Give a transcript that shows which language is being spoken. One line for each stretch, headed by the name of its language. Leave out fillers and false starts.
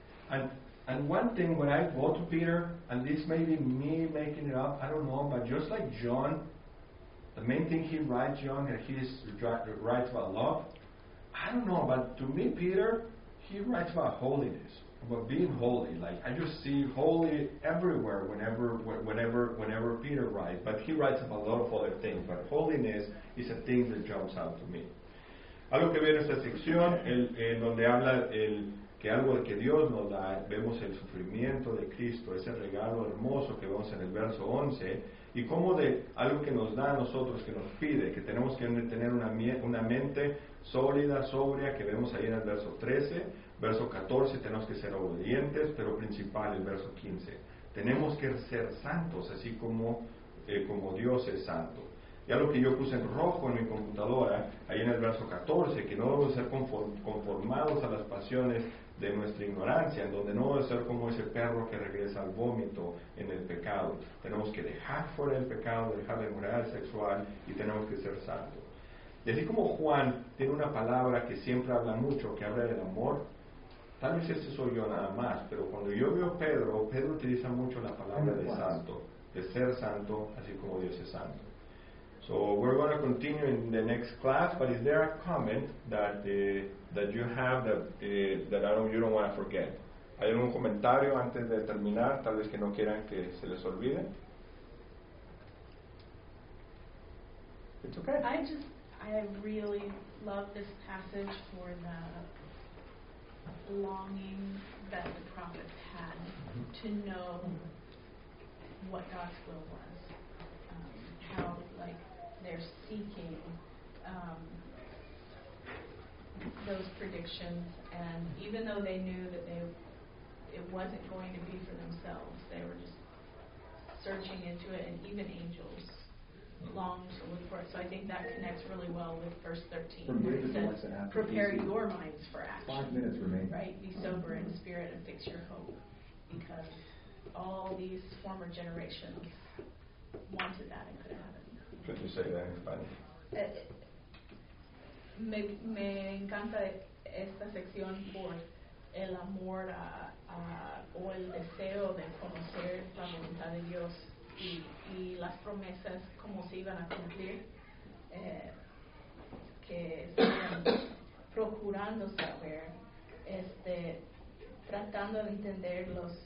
English: And one thing, when I go to Peter, and this may be me making it up, I don't know, but just like John, the main thing he writes, John, that he writes about love, I don't know, but to me, Peter, he writes about holiness, about being holy. Like, I just see holy everywhere whenever Peter writes, but he writes about a lot of other things, but holiness is a thing that jumps out to me.
Spanish: Algo que viene esta sección, donde habla el que algo que Dios nos da, vemos el sufrimiento de Cristo, ese regalo hermoso que vemos en el verso 11, y cómo de algo que nos da a nosotros, que nos pide, que tenemos que tener una mente sólida, sobria, que vemos ahí en el verso 13, verso 14, tenemos que ser obedientes, pero principal el verso 15, tenemos que ser santos, así como Dios es santo. Y algo que yo puse en rojo en mi computadora, ahí en el verso 14, que no debemos ser conformados a las pasiones de nuestra ignorancia, en donde no debemos ser como ese perro que regresa al vómito en el pecado. Tenemos que dejar fuera el pecado, dejar la inmoralidad sexual y tenemos que ser santos. Y así como Juan tiene una palabra que siempre habla mucho, que habla del amor, tal vez este soy yo nada más, pero cuando yo veo a Pedro utiliza mucho la palabra de santo, de ser santo, así como Dios es santo.
English: So we're going to continue in the next class, but is there a comment that you have you don't want to forget?
Spanish: ¿Hay algún comentario antes de terminar, tal vez que no quieran que se les olvide?
English: It's okay. I really love this passage for the longing that the prophets had to know what God's will was, how like they're seeking those predictions, and even though they knew that it wasn't going to be for themselves, they were just searching into it, and even angels longed to look for it. So I think that connects really well with verse 13, where it says, prepare your minds for action. 5 minutes remain. Right? Be sober in spirit and fix your hope, because all these former generations wanted that and couldn't have it. Could you say that, anybody?
Spanish: Me encanta esta sección por el amor o el deseo de conocer la voluntad de Dios y las promesas como se iban a cumplir, que están procurando saber, tratando de entender